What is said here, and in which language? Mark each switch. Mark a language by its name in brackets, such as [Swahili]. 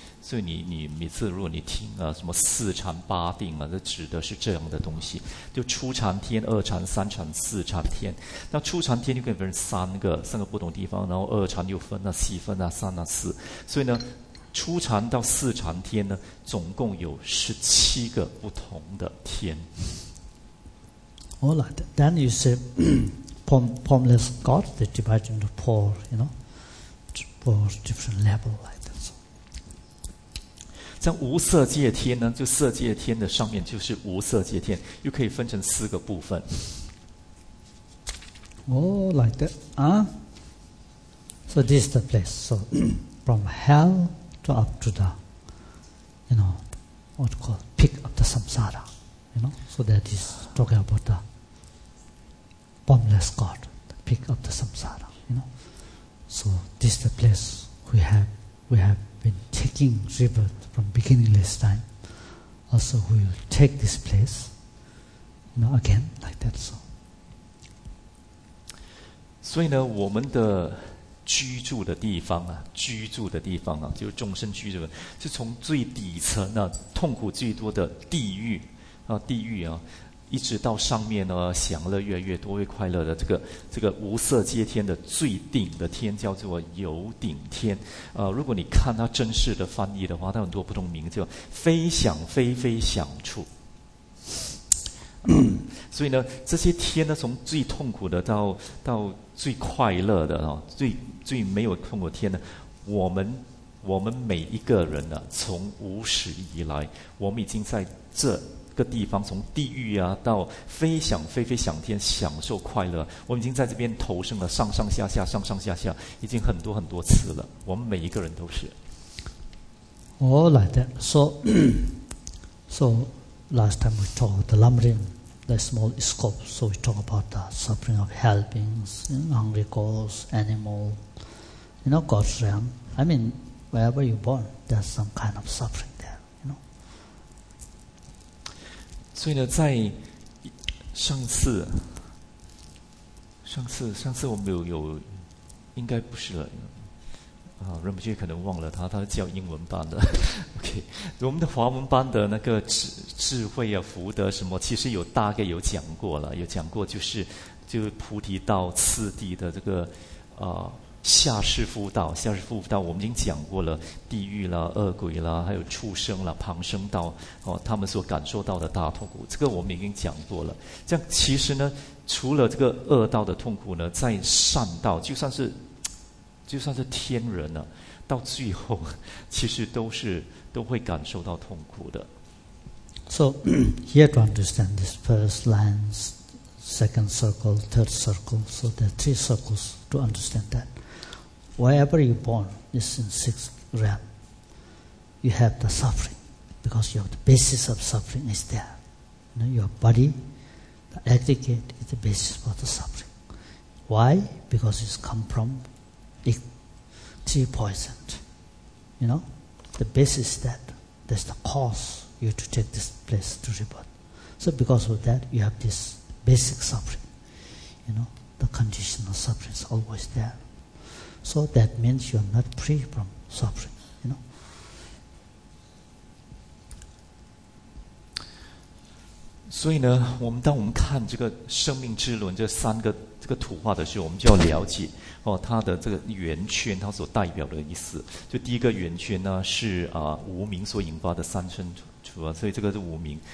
[Chinese] 所以你每次如果你听啊什么四禅八定啊，这指的是这样的东西，就初禅天、二禅、三禅、四禅天。那初禅天就可以分成三个不同地方，然后二禅又分了细分啊三啊四，所以呢。初禅到四禅天呢，总共有十七个不同的天。 [English] All right. Then you say, palmless God, they divide into four, you know, four different level like that. So, [Chinese] 像无色界天呢，就色界天的上面就是无色界天，又可以分成四个部分。 [English] All right. So this is the place. So from hell. To up to the, you know, what you call peak of the samsara, you know, so that is talking about the bombless God, the peak of the samsara, you know. So this is the place we have been taking rebirth from beginningless time. Also, we will take this place, you know, again, like that. So, [Chinese] 所以呢，我们的居住的地方啊，居住的地方啊，就是众生居住的，是从最底层呢、啊，痛苦最多的地狱啊，地狱啊，一直到上面呢，享乐越来越多，越快乐的这个无色界天的最顶的天叫做有顶天。如果你看它真实的翻译的话，它很多不同名字，叫非想非非想处。所以呢，这些天呢，从最痛苦的到最快乐的啊，最没有痛苦的天呢，我们每一个人呢，从无始以来，我们已经在这个地方，从地狱啊到飞翔飞飞翔天享受快乐，我们已经在这边投生了上上下下上上下下，已经很多很多次了。我们每一个人都是。 [English] All right, so last time we talked the lumberingthe small scope, so we talk about the suffering of hell beings, you know, hungry ghosts, animal, you know, God's realm. I mean, wherever you're born, there's some kind of suffering there, you know. [Chinese] 所以呢，在上次我们有应该不是了啊，任伯爵可能忘了他叫英文班的。 OK， 我们的华文班的那个智慧啊、福德什么，其实有大概有讲过了，有讲过就是菩提道次第的这个下士妇道，下士妇道我们已经讲过了，地狱啦、恶鬼啦、还有畜生啦、旁生道哦，他们所感受到的大痛苦，这个我们已经讲过了。这样其实呢，除了这个恶道的痛苦呢，在善道，就算是天人呢、啊，到最后其实都会感受到痛苦的。 [English] So you have to understand this first line, second circle, third circle. So there are three circles to understand that. Wherever you're born, it's in sixth realm. You have the suffering, because you have the basis of suffering is there. You know, your body, the aggregate, is the basis for the suffering. Why? Because it's come from three poisons. You know? The basis is that. That's the cause you to take this place to rebirth. So because of that, you have this basic suffering. You know? The conditional suffering is always there. So that means you are not free from suffering, you know. [Chinese] So, 呢，我们当我们看这个生命之轮这三个这个图画的时候，我们就要了解哦，它的这个圆圈它所代表的意思。就第一个圆圈呢是无明所引发的三生处啊，所以这个是无明。